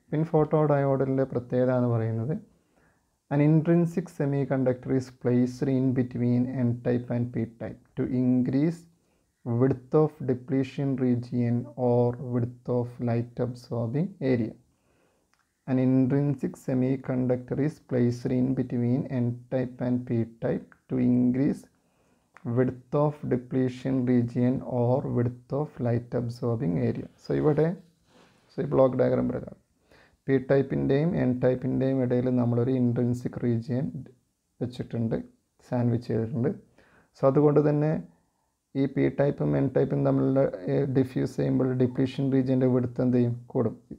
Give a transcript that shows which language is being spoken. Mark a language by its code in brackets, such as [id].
[ml] പിൻ photo ഡയോഡിൻ്റെ പ്രത്യേകത എന്ന് പറയുന്നത് [en] An intrinsic semiconductor is placed in between N type and P type to increase width of depletion region or width of light absorbing area. An intrinsic semiconductor is placed in between N-type and P-type to increase width of depletion region or width of light absorbing area. [ml] So, ഇവിടെ so ഈ block diagram പ്രകാരം P ടൈപ്പിൻ്റെയും N ടൈപ്പിൻ്റെയും ഇടയിൽ നമ്മളൊരു intrinsic region വെച്ചിട്ടുണ്ട്, sandwich ചെയ്തിട്ടുണ്ട്. So അതുകൊണ്ട് തന്നെ ഈ പി ടൈപ്പും എൻ ടൈപ്പും തമ്മിലുള്ള ഡിഫ്യൂസ് ചെയ്യുമ്പോൾ ഡിപ്ലീഷൻ റീജിയൻ്റെ വിഡ്ത്ത് എന്ത് ചെയ്യും? കൂടും.